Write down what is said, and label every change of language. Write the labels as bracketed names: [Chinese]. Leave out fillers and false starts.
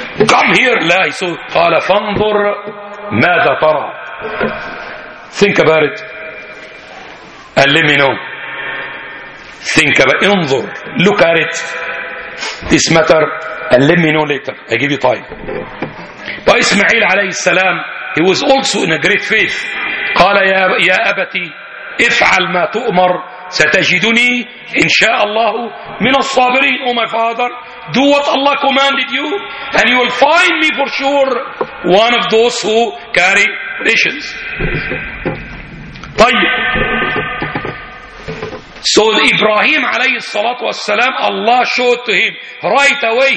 [English] Come here. La, he saw. [Arabic] قَالَ فَانْظُرْ مَاذَا تَرَى. [English] Think about it. And let me know. Think about it. انظر. Look at it. This matter. And let me know later. I give you time. But Ismail alayhi salam, he was also in a great faith. [Arabic] قَالَ يَا أَبَتِي إِفْعَلْ مَا تُؤْمَرْ ستجدني إن شاء الله من الصابرين. [English] Oh my father, do what Allah commanded you and you will find me for sure one of those who carry visions. [Arabic] طيب. [English] So Ibrahim [Arabic] عليه الصلاة والسلام, [English] Allah showed to him right away.